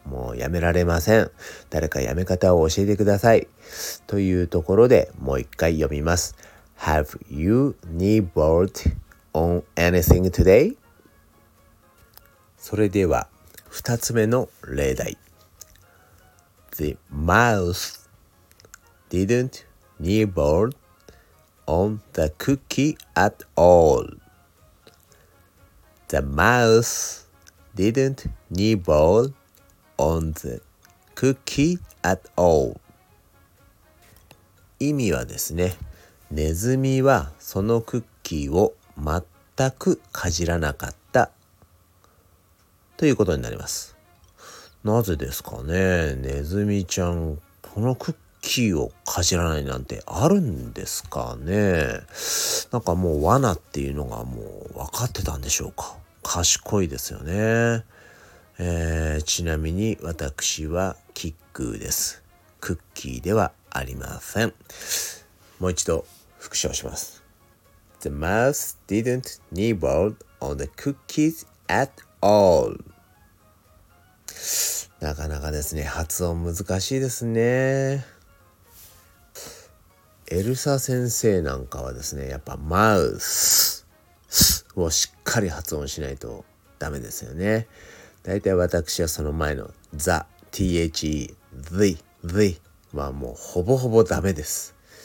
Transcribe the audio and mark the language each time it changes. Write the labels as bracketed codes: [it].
[ja] もうやめられません。誰かやめ方を教えてください。というところでもう一回読みます。 [en] Have you nibbled on anything today? [ja] それでは二つ目の例題。 [en] The mouse didn't nibble on the cookie at all. The mouse didn't nibble on the cookie at all. [ja] 意味はですね、ネズミはそのクッキーを全くかじらなかったということになります。なぜですかね、ネズミちゃんこのクッキーキーをかじらないなんてあるんですかね。なんかもう罠っていうのがもう分かってたんでしょうか。賢いですよね。ちなみに私はキックです。クッキーではありません。もう一度復唱します。 [en] The mouse didn't nibble on the cookies at all。 [ja] なかなかですね、発音難しいですね。エルサ先生なんかはですね、やっぱマウスをしっかり発音しないとダメですよね。だいたい私はその前のザ、THE、THE はもうほぼほぼダメです。